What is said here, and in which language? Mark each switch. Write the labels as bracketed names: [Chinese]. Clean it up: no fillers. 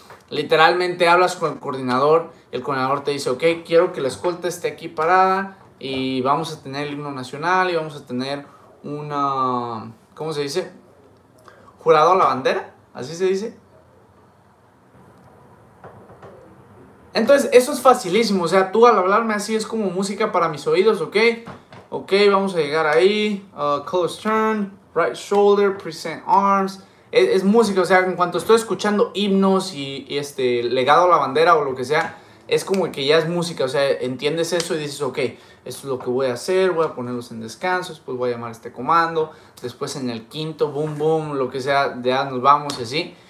[Spanish] Literalmente hablas con el coordinador, el coordinador te dice, ok, quiero que la escolta esté aquí parada y vamos a tener el himno nacional y vamos a tener una... ¿cómo se dice? ¿Jurado a la bandera? ¿Así se dice? Entonces, eso es facilísimo. O sea, tú al hablarme así es como música para mis oídos, ¿ok? Ok, vamos a llegar ahí. [English] Close turn, right shoulder, present arms. [Spanish] Es música. O sea, en cuanto estoy escuchando himnos y legado a la bandera o lo que sea, es como que ya es música. O sea, entiendes eso y dices, ok, esto es lo que voy a hacer, voy a ponerlos en descanso, después voy a llamar a este comando, después en el quinto, boom, boom, lo que sea, ya nos vamos y así.